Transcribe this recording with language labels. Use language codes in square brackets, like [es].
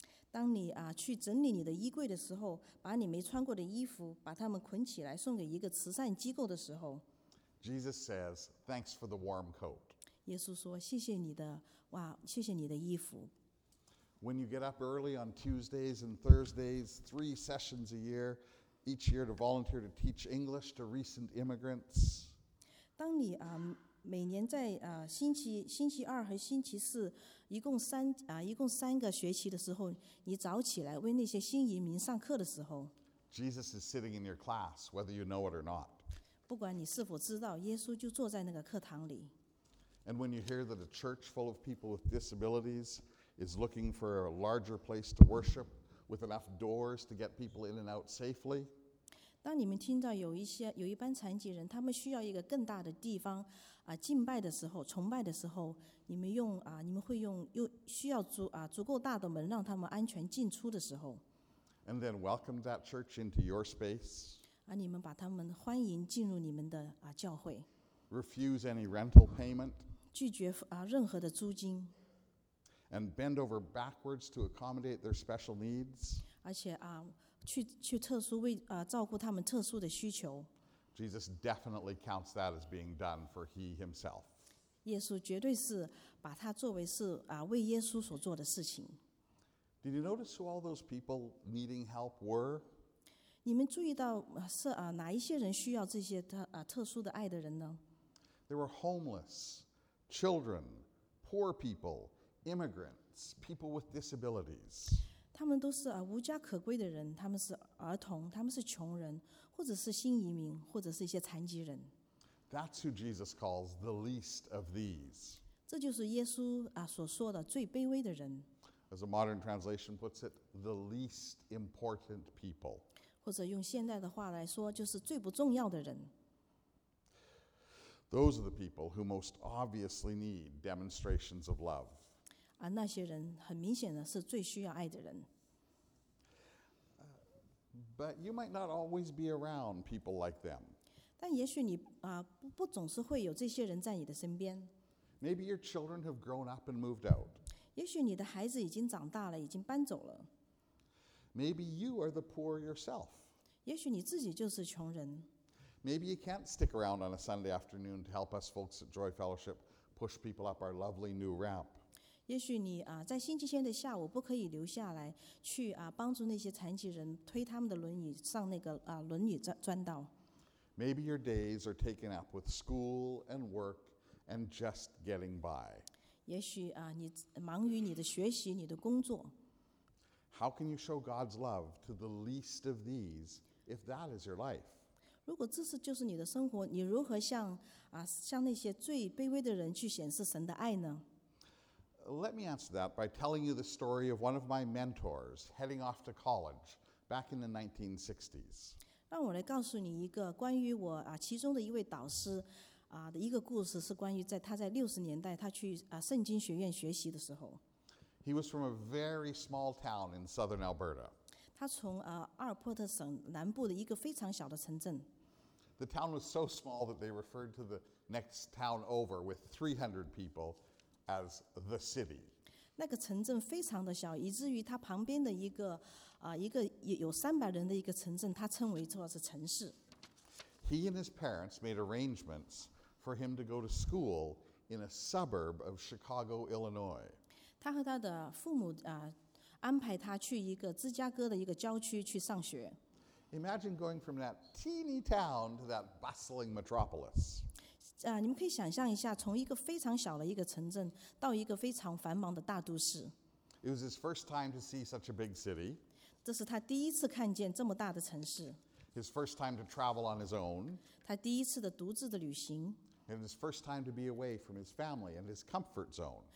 [zh] 当你去整理你的衣柜的时候，把你没穿过的衣服把它们捆起来送给一个慈善机构的时候。 [en] Jesus says, "Thanks for the warm coat." [zh] 耶稣说，谢谢你的哇，谢谢你的衣服。 [en] When you get up early on Tuesdays and Thursdays, 3 sessions a year. Each year to volunteer to teach English to recent immigrants. [zh] 当你每年在星期二和星期四一共三个学期的时候，你早起来为那些新移民上课的时候。 [en] Jesus is sitting in your class, whether you know it or not. [zh] 不管你是否知道，耶稣就坐在那个课堂里。 [en] And when you hear that a church full of people with disabilities is looking for a larger place to worship. With enough doors to get people in and out safely. [zh] 当你们听到有一班残疾人，他们需要一个更大的地方，敬拜的时候，崇拜的时候，你们会用足够大的门让他们安全进出的时候。 [en] And then welcome that church into your space. [zh] 你们把他们欢迎进入你们的教会。 [en] Refuse any rental payment. [zh] 拒绝任何的租金。 [en] And bend over backwards to accommodate their special needs. [zh] 而且去特殊为照顾他们特殊的需求。 [en] Jesus definitely counts that as being done for He Himself. [zh] 耶稣绝对是把它作为是为耶稣所做的事情。 [en] Did you notice who all those people needing help were? [zh] 你们注意到是哪一些人需要这些特殊的爱的人呢？ [en] There were homeless, children, poor people. Immigrants, people with disabilities. [zh] 他们都是无家可归的人，他们是儿童，他们是穷人，或者是新移民，或者是一些残疾人。 [en] That's who Jesus calls the least of these. [zh] 这就是耶稣所说的最卑微的人。 [en] As a modern translation puts it, the least important people. [zh] 或者用现代的话来说，就是最不重要的人。 [en] Those are the people who most obviously need demonstrations of love. [zh] 那些人很明显的是最需要爱的人。 [en] But you might not always be around people like them. [zh] 但也许你不总是会有这些人在你的身边。 [en] Maybe your children have grown up and moved out. [zh] 也许你的孩子已经长大了，已经搬走了。 [en] Maybe you are the poor yourself. [zh] 也许你自己就是穷人。 [en] Maybe you can't stick around on a Sunday afternoon to help us folks at Joy Fellowship push people up our lovely new ramp. [zh] 也许你在星期天的下午不可以留下来去帮助那些残疾人推他们的轮椅上那个轮椅转道。 [en] Maybe your days are taken up with school and work and just getting by. [zh] 也许你忙于你的学习，你的工作。 [en] How can you show God's love to the least of these if that is your life? [zh] 如果这是就是你的生活，你如何向那些最卑微的人去显示神的爱呢？ [en] let me answer that by telling you the story of one of my mentors heading off to college back in the 1960s. [zh] 让我来告诉你一个关于我其中的一位导师的一个故事，是关于在他在60年代他去圣经学院学习的时候。 [en] He was from a very small town in southern Alberta. [zh] 他从阿尔伯特省南部的一个非常小的城镇。 [en] The town was so small that they referred to the next town over with 300 people as the city. [zh] 那个城镇非常的小，以至于它旁边的一个有300人的一个城镇，它称为做是城市。 [en] He and his parents made arrangements for him to go to school in a suburb of Chicago, Illinois. [zh] 他和他的父母安排他去一个芝加哥的一个郊区去上学。 [en] Imagine going from that teeny town to that bustling metropolis. [zh] 你们可以想象一下，从一个非常小的一个城镇到一个非常繁忙的大都市。 [en] It was his first time to see such a big city. [zh] 这是他第一次看见这么大的城市。 [en] His first time to travel on his own. [zh] 他第一次的独自的旅行。 [en] And his first time to be away from his family and his comfort zone.